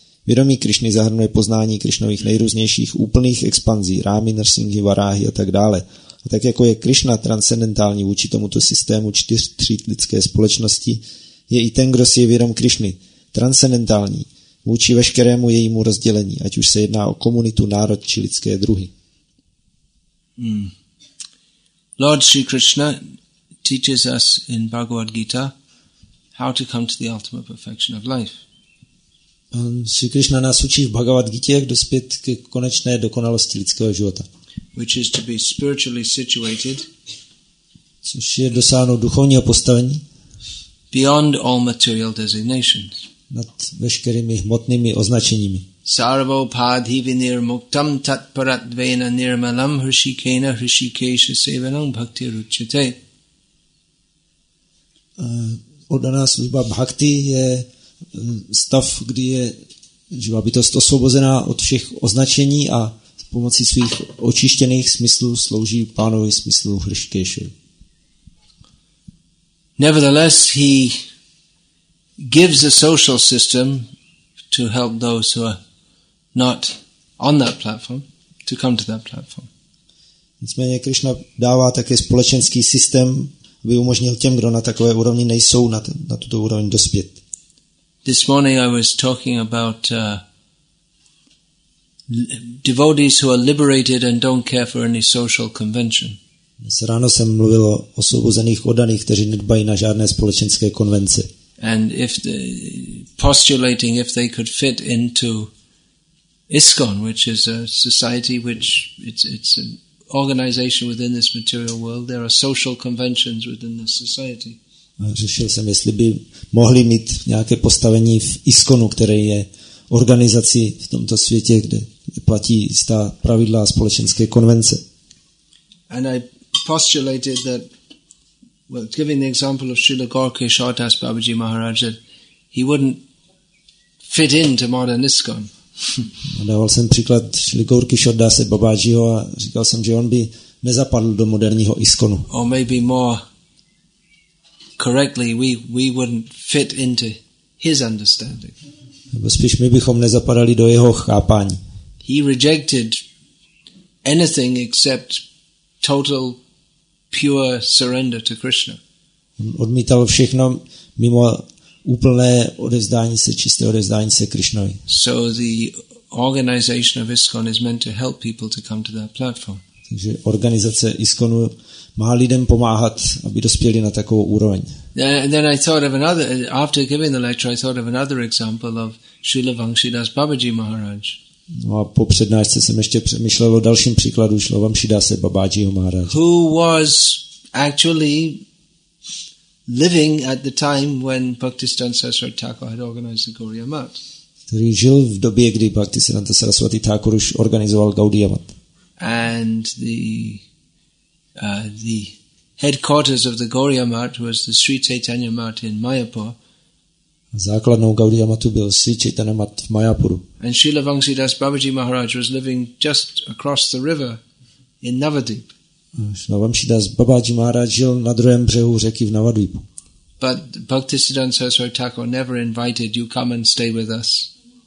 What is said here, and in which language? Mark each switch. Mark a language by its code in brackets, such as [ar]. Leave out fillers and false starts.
[cs] Vědomí Krišny zahrnuje poznání Krišnových nejrůznějších úplných expanzí, Rámy, Narsinghy, Varáhy a tak dále. A tak jako je Krišna transcendentální vůči tomuto systému 4 tříd lidské společnosti, je i ten, kdo si je vědom Krišny, transcendentální vůči veškerému jejímu rozdělení, ať už se jedná o komunitu, národ či lidské druhy. [en] Lord Sri Krishna teaches us in Bhagavad Gita how to come to the ultimate perfection of life. [cs] Sri Krishna nás učí v Bhagavad Gita, jak dospět ke konečné dokonalosti lidského života. [en] Which is to be spiritually situated. [cs] Což je dosáhnout duchovního postavení. [en] Beyond all material designations. [cs] Nad veškerými hmotnými označeními. [sa] Sarvo padhivinir muktam tatparatvena nirmalam hrishikena hrishikesha sevanam bhakti ruchyate. [cs] Oddaná služba bhakti je stav, kdy je živá bytost osvobozená od všech označení a s pomocí svých očištěných smyslů slouží pánovi smyslu hrishikesha. [en] Nevertheless, he gives a social system to help those who are not on that platform to come to that platform. [cs] Nicméně Krišna dává také společenský systém, aby umožnil těm, kdo na takové úrovni nejsou, na tuto úroveň dospět. [en] This morning I was talking about devotees who are liberated and don't care for any social convention. [cs] Dnes ráno jsem mluvil o osvobozených oddaných, kteří nedbají na žádné společenské konvence. [en] And if the, postulating if they could fit into ISKCON, which is a society which it's an organization within this material world, there are social conventions within this society. [cs] Řešil jsem, jestli by mohli mít nějaké postavení v ISKCONu, které je organizací v tomto světě, kde platí jistá pravidla a společenské konvence. [en] And I postulated that, well, giving the example of Srila Gaurakeshwardas Babaji Maharaj, that he wouldn't fit into modern ISKCON. [cs] Dával jsem příklad Srila Gaurakeshwardase Babajiho a říkal jsem, že on by nezapadl do moderního ISKCONu. [en] Or maybe more correctly, we wouldn't fit into his understanding. [cs] Nebo spíš my bychom nezapadali do jeho chápání. [en] He rejected anything except total pure surrender to Krishna. [cs] On odmítal všechno mimo úplné odevzdání se, čisté odevzdání se Krišnovi. [en] So the organization of ISKCON is meant to help people to come to that platform. [cs] Takže organizace ISKCONu má lidem pomáhat, aby dospěli na takovou úroveň. [en] And then I thought of another, after giving the lecture, I thought of another example of Srila Vanshidas Babaji Maharaj. [cs] No a po přednášce jsem ještě přemýšlel o dalším příkladu, šlo vám Šidase Babáji Humáráč. [en] Who was actually living at the time when Bhaktisiddhanta Saraswati Thakur had organized the Gaudiya Math. [cs] Který žil v době, kdy Bhaktisiddhanta Saraswati Thakur už organizoval Gaudiya Math. [en] And the headquarters of the Gaudiya Math was the Sri Chaitanya Math in Mayapur. [cs] Základnou Gaudiya Mathu byl Sri Chaitanya Math v Mayapuru. [en] And Srila Vamsidas Babaji Maharaj was living just across the river in Navadvip. [cs] Srila Vamsidas Babaji Maharaj žil na druhém břehu řeky v Navadvipu. [en] But Bhaktisiddhanta Saraswati Thakur never invited you come and stay with us.